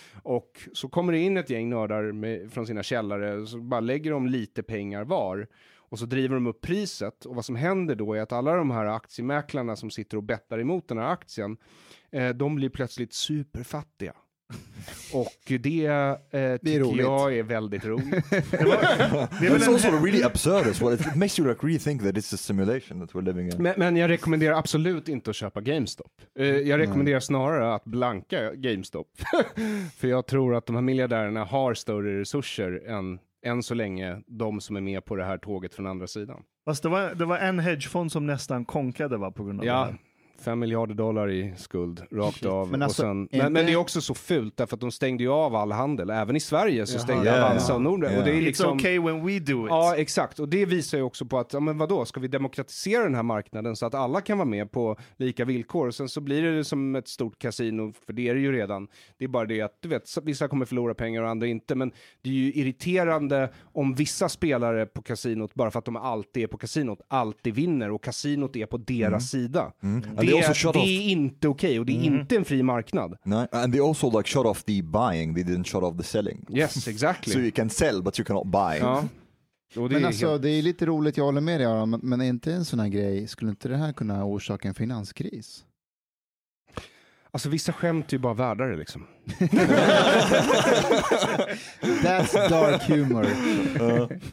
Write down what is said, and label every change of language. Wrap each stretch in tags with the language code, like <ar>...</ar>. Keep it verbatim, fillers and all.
<sv>Och så kommer det in ett gäng nördar med, från sina källare, så bara lägger de lite pengar var. Och så driver de upp priset, och vad som händer då är att alla de här aktiemäklarna som sitter och bettar emot den här aktien, eh, de blir plötsligt superfattiga. Och det, eh, det tycker jag är väldigt roligt. Det var, det</sv> <en>It's also really absurd as well. It makes you like rethink that it's a simulation that we're living in.</en> <sv>Men, men jag rekommenderar absolut inte att köpa GameStop. Eh, jag rekommenderar snarare att blanka GameStop. För jag tror att de här miljardärerna har större resurser än än så länge de som är med på det här tåget från andra sidan. Fast det var, det var en hedgefond som nästan konkade va, på grund av ja, det. fem miljarder dollar i skuld rakt Shit. av. Men, alltså, och sen, men, men det är också så fult därför att de stängde ju av all handel. Även i Sverige så stängde Jaha, Avanza ja, och Norden.</sv> <en>Yeah.</en> <sv>Och det är liksom,</sv> <en>it's okay when we do it.</en> <sv>Ja, exakt. Och det visar ju också på att, ja, men vadå, ska vi demokratisera den här marknaden så att alla kan vara med på lika villkor? Och sen så blir det som ett stort kasino, för det är det ju redan. Det är bara det att, du vet, vissa kommer förlora pengar och andra inte. Men det är ju irriterande om vissa spelare på kasinot, bara för att de alltid är på kasinot, alltid vinner. Och kasinot är på deras mm. sida. Mm. Det, det är inte okej okay, och det är mm. inte en fri marknad.</sv> <en>No, and they also like shut off the buying, they didn't shut off the selling. Yes, exactly. So you can sell but you cannot buy.</en> <sv>Ja. Det men alltså helt... det är lite roligt, jag håller med dig Aron, men är inte en sån här grej, skulle inte det här kunna orsaka en finanskris? Alltså vissa skämt är ju bara värdare liksom.</sv> <en>That's dark humor. Uh.</en>